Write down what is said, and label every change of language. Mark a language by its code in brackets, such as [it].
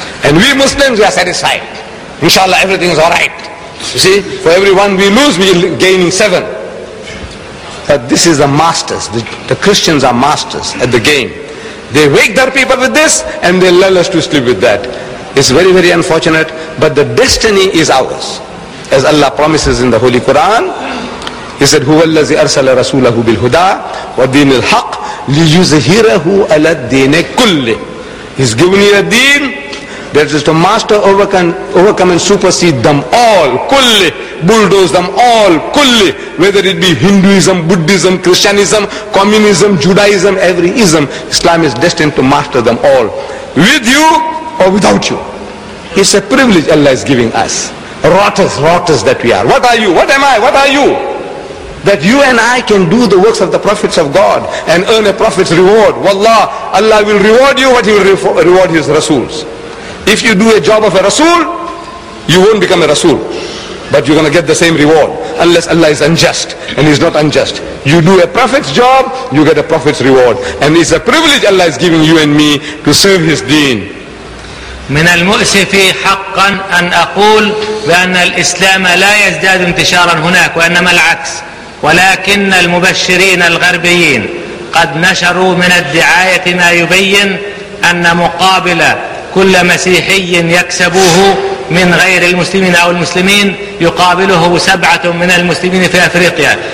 [en] And we Muslims, we are satisfied. Inshallah, everything is all right. You see, for every one we lose, we are gaining seven. But this is the masters. The Christians are masters at the game. They wake their people with this and they lull us to sleep with that. It's very, very unfortunate. But the destiny is ours. As Allah promises in the Holy Quran, He said, [ar] هُوَ الَّذِي أَرْسَلَ رَسُولَهُ بِالْهُدَىٰ وَالدِّينِ الْحَقِّ لِيُزَهِرَهُ عَلَى الدِّينِ كُلِّ. [en] He's given you a deen that is to master, overcome and supersede them all, kulli, bulldoze them all, kulli, whether it be Hinduism, Buddhism, Christianism, Communism, Judaism, every ism, Islam is destined to master them all, with you or without you. It's a privilege Allah is giving us. Rotters that we are. What are you? What am I? What are you? That you and I can do the works of the prophets of God and earn a prophet's reward. Wallah, Allah will reward you what He will reward His Rasuls. If you do a job of a Rasul, you won't become a Rasul. But you're going to get the same reward. Unless Allah is unjust, and He's not unjust. You do a Prophet's job, you get a Prophet's reward. And it's a privilege Allah is giving you and me to serve His deen. [ar] من المؤسف حقا أن أقول بأن الإسلام لا يزداد انتشارا هناك, وإنما العكس. ولكن المبشرين الغربيين قد نشروا من الدعاية ما يبين أن مقابلة كل مسيحي يكسبوه من غير المسلمين أو المسلمين يقابله سبعة من المسلمين في أفريقيا.